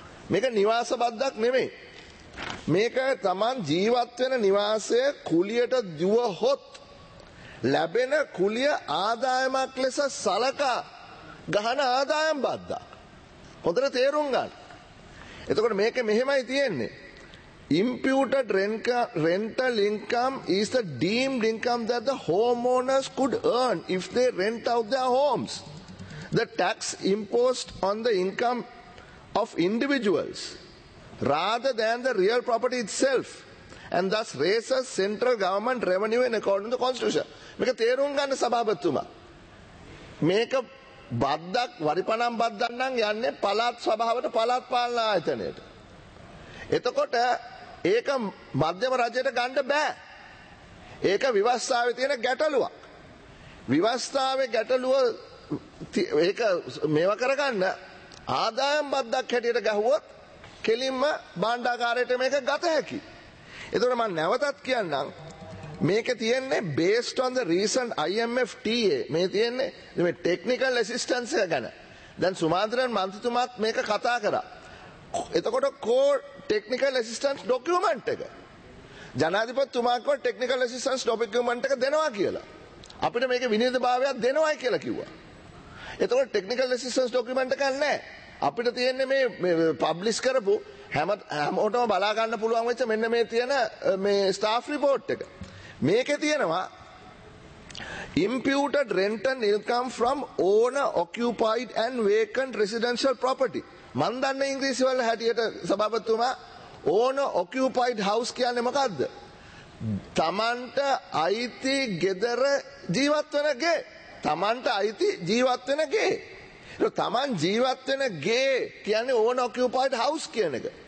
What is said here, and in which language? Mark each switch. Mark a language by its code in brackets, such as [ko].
[si] මේක නිවාස බද්දක් නෙමෙයි. මේක තමන් ජීවත් වෙන නිවාසයේ කුලියට දුව හොත් ලැබෙන කුලිය ආදායමක් ලෙස සලකා ගහන ආදායම් බද්දක්. හොඳට තේරුම් ගන්න. එතකොට මේක මෙහෙමයි තියෙන්නේ. [en] Imputed rental income is the deemed income that the homeowners could earn if they rent out their homes. The tax imposed on the income of individuals rather than the real property itself and thus raises central government revenue in accordance with the constitution. [si] මේක තේරුම් ගන්න සභාපතිතුමා. මේක බද්දක් වරිපණම් බද්දක් නම් යන්නේ පළාත් සභාවට පළාත් පාලන ආයතනයට. එතකොට ඒක මධ්‍යම රජයට ගන්න බෑ. ඒක විවස්ථාවේ තියෙන ගැටලුවක්. විවස්ථාවේ ගැටලුව ඒක මේව කරගන්න ආදායම් බද්දක් හැටියට ගහුවොත් කෙලින්ම භාණ්ඩාගාරයට මේක ගත හැකි. එතකොට මම නැවතත් කියන්නම් මේක තියෙන්නේ [en] based on the recent IMF TA. [si] මේ තියෙන්නේ මේ technical assistance එක ගැන. දැන් සුමාන්තරන් මන්ත්‍රීතුමාත් මේක කතා කරා. එතකොට core technical assistance document එක. ජනාධිපතිතුමාට core technical assistance document එක දෙනවා කියලා. අපිට මේක විනිවිදභාවයක් දෙනවයි කියලා කිව්වා. එතකොට technical assistance document එකක් නැහැ. අපිට තියෙන්නේ මේ publish කරපු හැමෝටම බලා ගන්න පුළුවන් වෙච්ච මෙන්න මේ තියෙන මේ staff report එක. මේකේ තියෙනවා [en] imputed rental income from owner occupied and vacant residential property. [si] මන් දන්නේ ඉංග්‍රීසි වල හැටියට සභාපතිතුමා owner occupied house කියන්නේ මොකද්ද? තමන්ට අයිති ගෙදර ජීවත් වෙන ගේ. තමන්ට අයිති ජීවත් වෙන ගේ. ඒක තමන් ජීවත් වෙන ගේ කියන්නේ owner occupied house කියන එක.